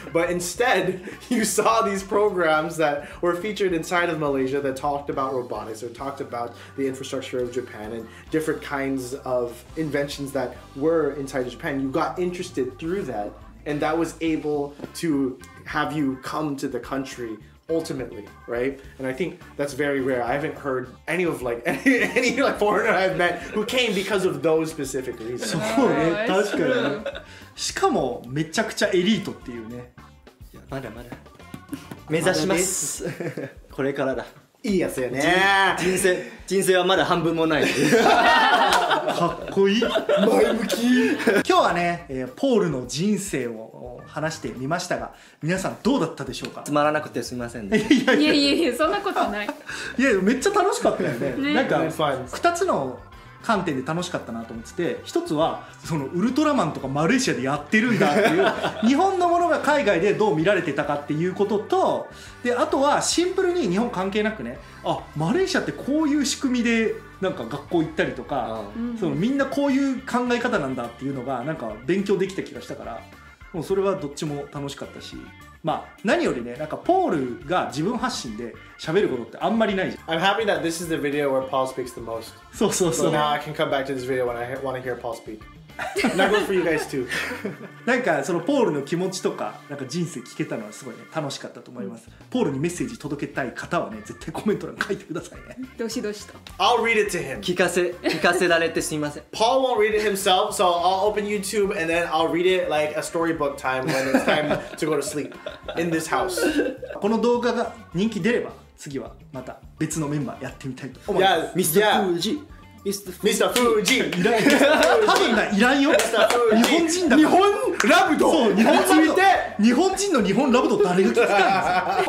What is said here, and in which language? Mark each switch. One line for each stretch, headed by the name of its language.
English: But instead, you saw these programs that were featured inside of Malaysia that talked about robotics or talked about the infrastructure of Japan and different kinds of inventions that were inside of Japan. You got interested through that, and that was able to have you come to the country ultimately, right? And I think that's very rare. I haven't heard any of like any like foreigner I've met who came because of those specific reasons.
Japanese: そうね、確かに。しかもめちゃくちゃエリートっていうね。いや、まだまだ目指します。これからだ。いいやつよね。人生はまだ半分もない。かっこいい、前向き。今日はね、ポールの人生を話してみましたが、皆さんどうだったでしょうか。つまらなくてすみませんね。いやそんなことない。いや、めっちゃ楽しかったよ ね。なんか2つの観点で楽しかったなと思ってて、1つはそのウルトラマンとかマレーシアでやってるんだっていう日本のものが海外でどう見られてたかっていうことと、であとはシンプルに日本関係なくね、あ、マレーシアってこういう仕組みでなんか学校行ったりとか、そのみんなこういう考え方なんだっていうのがなんか勉強できた気がしたから、もうそれはどっちも楽しかったし、まあ何よりね、なんかポールが自分発信で喋ることってあんまりないじゃん。
English: I'm happy that this is the video where Paul speaks the most.
Japanese: そうそうそう。
English: So now I can come back to this video when I want to hear Paul speak. That goes for you guys too.
Japanese: なんかそのポールの気持ちとか、なんか人生聞けたのはすごいね、楽しかったと思います。ポールにメッセージ届けたい方はね、絶対コメント欄書いてくださいね。どしどしと。
English: I'll read it to him.
Japanese: 聞かせられてすみません。
English: Paul won't read it himself, so I'll open YouTube and then I'll read it like a storybook time when it's time to go to sleep in this house.
Japanese: この動画が人気出れば、次はまた別のメンバーやってみたいと思います。
English: Yes, Mr. Fuji.
Japanese: ミスターフージー、いらん、多分ないらんよ。日本人だ、日本ラブド、そう、日本人見て、日本人の日本ラブド誰が聞きたいんですか。